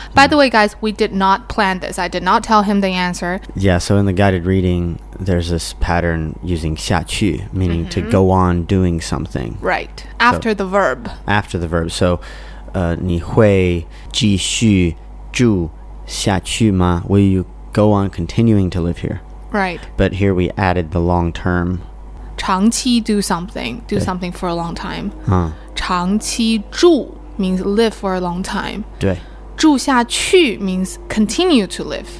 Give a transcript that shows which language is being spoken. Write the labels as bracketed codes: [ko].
[en] By the way, guys, we did not plan this. I did not tell him the answer. Yeah, so in the guided reading, there's this pattern using 下去, meaning mm-hmm. to go on doing something. Right, after so, the verb. After the verb. [zh] So, 你会继续住下去吗? [en] Will you go on continuing to live here? Right. But here we added the long term. 长期 do something. Do something for a long time. Huh. 长期住 means live for a long time. [zh] 对。住下去 [en] means continue to live.